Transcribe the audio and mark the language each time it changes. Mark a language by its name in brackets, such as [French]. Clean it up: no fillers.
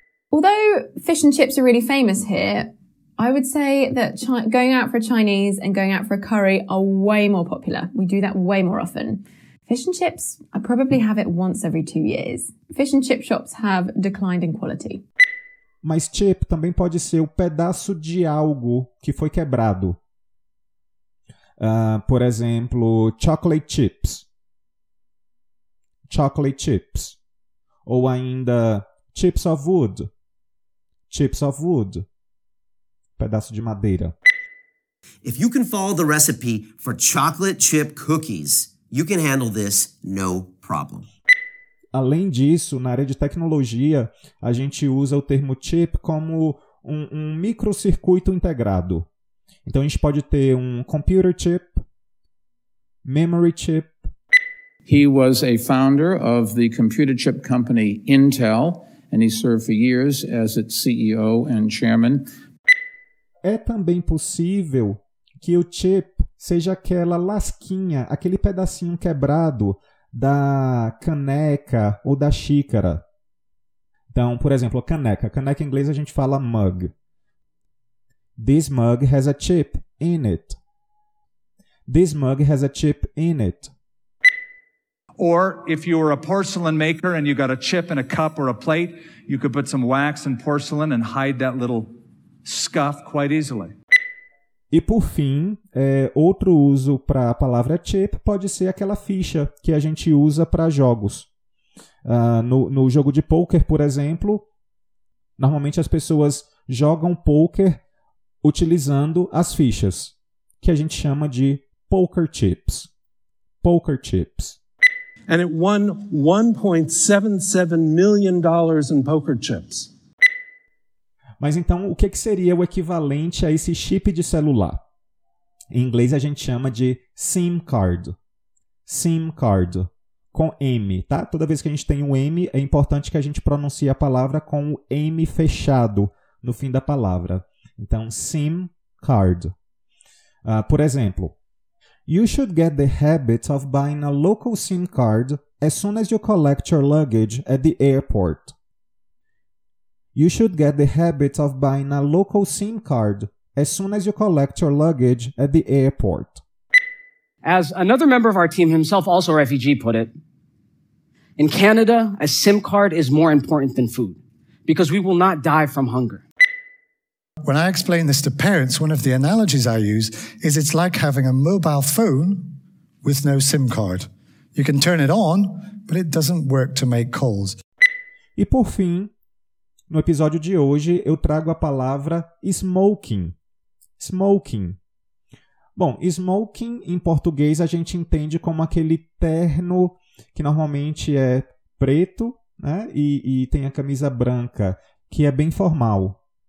[English] Although fish and chips are really famous here, I would say that going out for a Chinese and going out for a curry are way more popular. We do that way more often. Fish and chips, I probably have it once every 2 years. Fish and chip shops have declined in quality. [Portuguese] Mas chip também pode ser o pedaço de algo que foi quebrado. Por exemplo, chocolate chips. Chocolate chips. Ou ainda, [English] chips of wood. Chips of wood. [Portuguese] Pedaço de madeira. [English] If you can follow the recipe for chocolate chip cookies, you can handle this no problem. [Portuguese] Além disso, na área de tecnologia, a gente usa o termo chip como um microcircuito integrado. Então, a gente pode ter um computer chip, memory chip. [English] He was a founder of the computer chip company Intel, and he served for years as its CEO and chairman. [Portuguese] É também possível que o chip seja aquela lasquinha, aquele pedacinho quebrado da caneca ou da xícara. Então, por exemplo, caneca. Caneca em inglês a gente fala mug. [English] This mug has a chip in it. This mug has a chip in it. Or if you were a porcelain maker and you got a chip in a cup or a plate, you could put some wax and porcelain and hide that little scuff quite easily. [Portuguese] E por fim, outro uso para a palavra chip pode ser aquela ficha que a gente usa para jogos. No jogo de poker, por exemplo, normalmente as pessoas jogam poker utilizando as fichas, que a gente chama de poker chips. Poker chips. [English] And it won $1.77 million in poker chips. [Portuguese] Mas então, o que seria o equivalente a esse chip de celular? Em inglês, a gente chama de SIM card. SIM card. Com M, tá? Toda vez que a gente tem um M, é importante que a gente pronuncie a palavra com o M fechado no fim da palavra. Então, SIM card. Por exemplo, [English] you should get the habit of buying a local SIM card as soon as you collect your luggage at the airport. You should get the habit of buying a local SIM card as soon as you collect your luggage at the airport. As another member of our team, himself also a refugee, put it, in Canada, a SIM card is more important than food because we will not die from hunger. When I explain this to parents, one of the analogies I use is it's like having a mobile phone with no SIM card. You can turn it on, but it doesn't work to make calls. [Portuguese] E por fim, no episódio de hoje, eu trago a palavra smoking. Smoking. Bom, smoking em português a gente entende como aquele terno que normalmente é preto, né? E tem a camisa branca, que é bem formal.